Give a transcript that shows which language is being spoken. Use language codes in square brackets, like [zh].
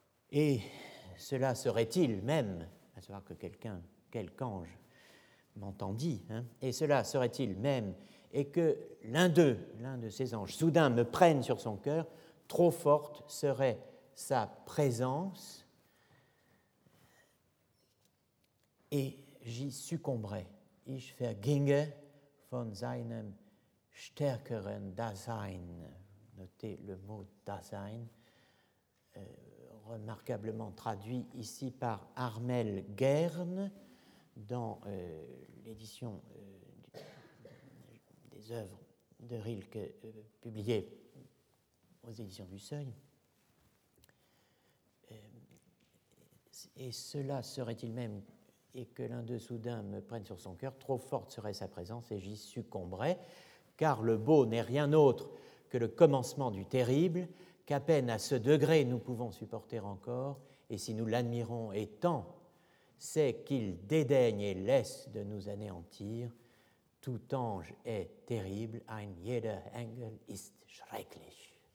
[fr] Et cela serait-il même, à savoir que quelqu'un, quelque ange, m'entendit, hein, et cela serait-il même, et que l'un de ces anges, soudain me prenne sur son cœur, trop forte serait sa présence et j'y succomberai. [de] Ich verginge von seinem stärkeren Dasein. [fr] Notez le mot Dasein, remarquablement traduit ici par Armel Gern dans l'édition des œuvres de Rilke publiées aux éditions du Seuil. Et cela serait-il même, et que l'un d'eux soudain me prenne sur son cœur, trop forte serait sa présence et j'y succomberais, car le beau n'est rien autre que le commencement du terrible, qu'à peine à ce degré nous pouvons supporter encore, et si nous l'admirons et tant, c'est qu'il dédaigne et laisse de nous anéantir. Tout ange est terrible, ein jeder Engel ist schrecklich.